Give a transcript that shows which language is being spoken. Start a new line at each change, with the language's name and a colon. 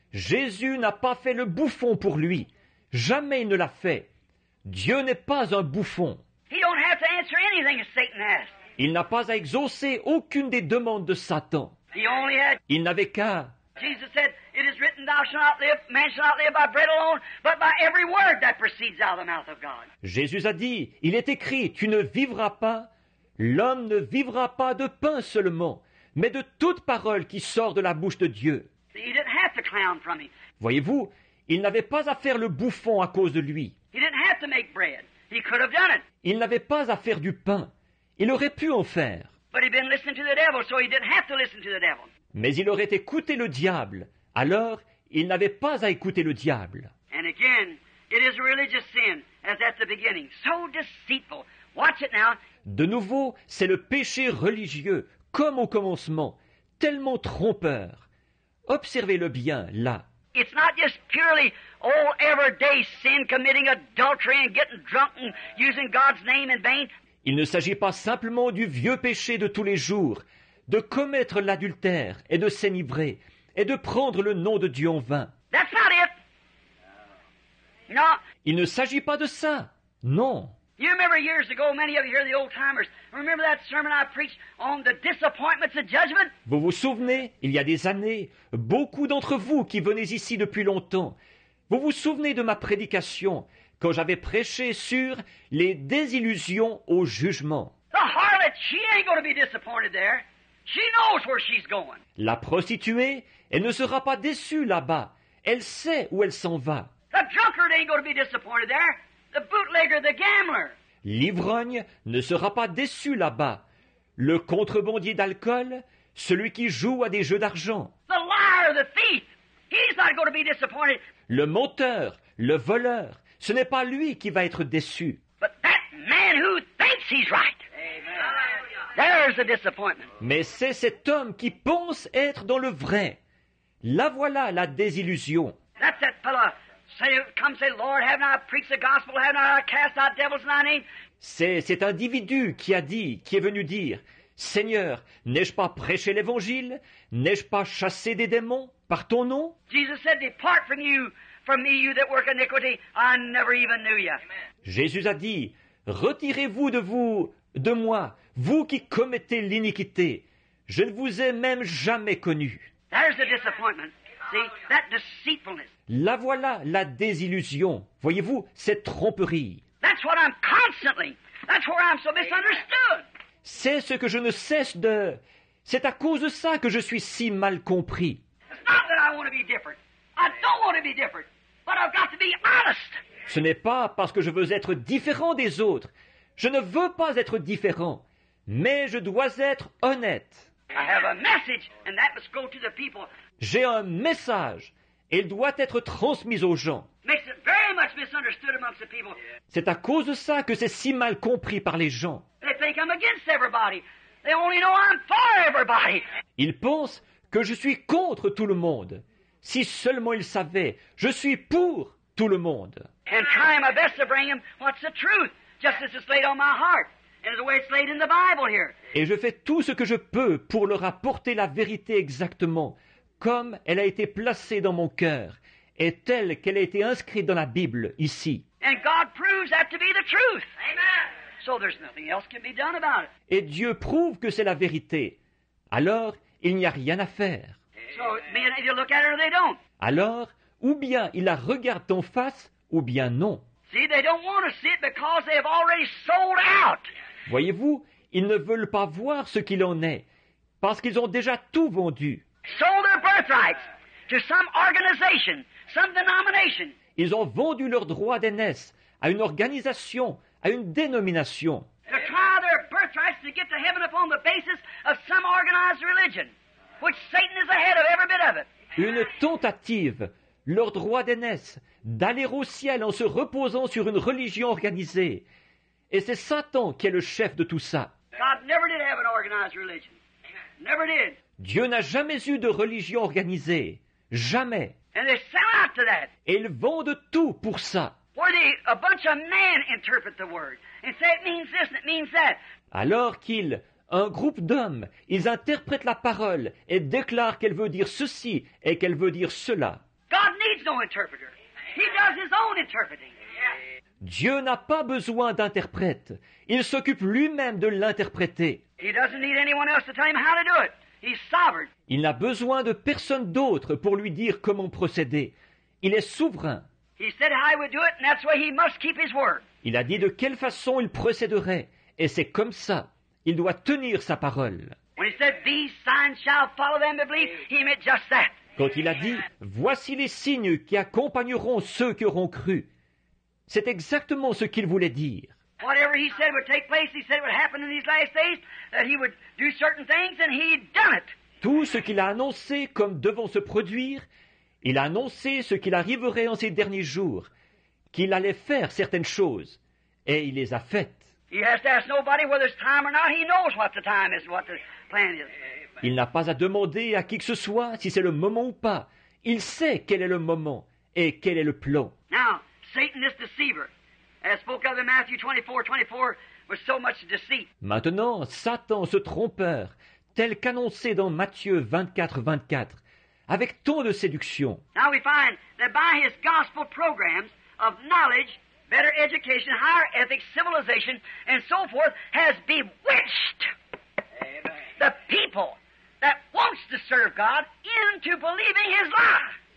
French: Jésus n'a pas fait le bouffon pour lui. Jamais il ne l'a fait. Dieu n'est pas un bouffon.
English: He don't have to answer anything Satan asks.
French: Il n'a pas à exaucer aucune des demandes de Satan. Il n'avait qu'à.
English: Jesus said, it is written, thou shalt not live, man shall not live by bread alone, but by every word that proceeds out of the mouth of God.
French: Jésus a dit, il est écrit, tu ne vivras pas, l'homme ne vivra pas de pain seulement, mais de toute parole qui sort de la bouche de Dieu.
English: He didn't have to clown from him.
French: Voyez-vous, il n'avait pas à faire le bouffon à cause de lui.
English: He didn't have to make bread. He could have done it.
French: Il n'avait pas à faire du pain. Il aurait pu en faire.
English: But he'd been listening to the devil, so he didn't have to listen to the devil.
French: Mais il aurait écouté le diable. Alors, il n'avait pas à écouter le diable.
English: And again, it is a religious sin, as at the beginning. So deceitful. Watch it now.
French: De nouveau, c'est le péché religieux, comme au commencement, tellement trompeur. Observez-le bien, là.
English: It's not just purely old everyday sin, committing adultery and getting drunk and using God's name in vain.
French: Il ne s'agit pas simplement du vieux péché de tous les jours, de commettre l'adultère et de s'enivrer, et de prendre le nom de Dieu en vain.
English: That's not it. No.
French: Il ne s'agit pas de ça. Non.
English: You remember years ago, many of you here, the old timers, remember that sermon I preached on the disappointments of judgment?
French: Vous vous souvenez, il y a des années, beaucoup d'entre vous qui venez ici depuis longtemps, vous vous souvenez de ma prédication quand j'avais prêché sur les désillusions au jugement.
English: The harlot, she ain't going to be disappointed there. She knows where she's going.
French: La prostituée, elle ne sera pas déçue là-bas. Elle sait où elle s'en va.
English: The drunkard ain't going to be disappointed there. The bootlegger, the gambler.
French: L'ivrogne ne sera pas déçu là-bas. Le contrebandier d'alcool, celui qui joue à des jeux d'argent.
English: The liar, the thief, he's not going to be disappointed.
French: Le menteur, le voleur, ce n'est pas lui qui va être déçu.
English: But that man who thinks he's right. Amen. There's a disappointment.
French: Mais c'est cet homme qui pense être dans le vrai. Là voilà la désillusion.
English: That's that fellow. Come say, Lord, haven't I preached the gospel? Haven't I cast out devils in thy name?
French: C'est cet individu qui a dit, qui est venu dire, Seigneur, n'ai-je pas prêché l'évangile? N'ai-je pas chassé des démons par ton nom?
English: Jesus said, Depart from you, from me, you that work iniquity. I never even knew you.
French: Jésus a dit, Retirez-vous de vous, de moi, vous qui commettez l'iniquité. Je ne vous ai même jamais connu.
English: There's the disappointment. See, that deceitfulness.
French: La voilà, la désillusion. Voyez-vous, cette tromperie.
English: That's what I'm constantly. That's where I'm so misunderstood.
French: C'est ce que je ne cesse de... C'est à cause de ça que je suis si mal compris.
English: It's not that I want to be different. I don't want to be different. But I've got to be honest.
French: Ce n'est pas parce que je veux être différent des autres. Je ne veux pas être différent. Mais je dois être honnête.
English: I have a message, and that must go to the people.
French: J'ai un message. Il doit être transmis aux gens.
English: Makes it very much misunderstood amongst the people.
French: C'est à cause de ça que c'est si mal compris par les gens.
English: They think I'm against everybody. They only know I'm for everybody.
French: Ils pensent que je suis contre tout le monde. Si seulement ils savaient, je suis pour tout le monde.
English: And try my best to bring them what's the truth, just as it's laid on my heart. And the way it's laid in the Bible here.
French: Et je fais tout ce que je peux pour leur apporter la vérité exactement, comme elle a été placée dans mon cœur, et telle qu'elle a été inscrite dans la Bible ici.
English: And God proves that to be the truth. Amen. So there's nothing else can be done about it.
French: Et Dieu prouve que c'est la vérité. Alors, il n'y a rien à faire.
English: So, if you look at it or they don't.
French: Alors, ou bien ils la regardent en face, ou bien non.
English: See, they don't want to see it because they have already sold out.
French: Voyez-vous, ils ne veulent pas voir ce qu'il en est, parce qu'ils ont déjà tout vendu.
English: Sold their birthrights to some organization, some denomination.
French: Ils ont vendu leur droit d'aînesse à une organisation, à une dénomination.
English: To try their birthrights to get to heaven upon the basis of some organized religion, which Satan is ahead of every bit of it.
French: Une tentative, leur droit d'aînesse, d'aller au ciel en se reposant sur une religion organisée. Et c'est Satan qui est le chef de tout ça.
English: God never did have an organized religion. Never did.
French: Dieu n'a jamais eu de religion organisée. Jamais.
English: And they sell out to that.
French: Et ils vendent tout pour ça.
English: A bunch of men interpret the word and say it means this and it means that.
French: Alors qu'ils, un groupe d'hommes, ils interprètent la parole et déclarent qu'elle veut dire ceci et qu'elle veut dire cela.
English: God needs no interpreter. He does his own interpreting.
French: Dieu n'a pas besoin d'interprète. Il s'occupe lui-même de l'interpréter.
English: He doesn't need anyone else to tell him how to do it. He's sovereign.
French: Il n'a besoin de personne d'autre pour lui dire comment procéder. Il est souverain.
English: He said how he would do it, and that's why he must keep his word.
French: Il a dit de quelle façon il procéderait, et c'est comme ça. Il doit tenir sa parole.
English: When he said, "These signs shall follow them that believe," he meant just that.
French: Quand il a dit, voici les signes qui accompagneront ceux qui auront cru, C'est exactement ce qu'il voulait dire.
English: Whatever he said would take place, he said it would happen in these last days, that he would do certain things, and he'd done it.
French: Tout ce qu'il a annoncé comme devant se produire, il a annoncé ce qu'il arriverait en ces derniers jours, qu'il allait faire certaines choses, et il les a faites.
English: He has to ask nobody whether it's time or not. He knows what the time is, what the plan is.
French: Il n'a pas à demander à qui que ce soit si c'est le moment ou pas. Il sait quel est le moment et quel est le plan.
English: Now, Satan, this deceiver, as spoke of in Matthew 24:24, was so much deceit.
French: Maintenant, Satan, ce trompeur, tel qu'annoncé dans Matthieu 24:24, avec tant de séduction.
English: Now we find that by his gospel programs of knowledge, better education, higher ethics, civilization, and so forth, has bewitched the people that wants to serve God into believing his lie.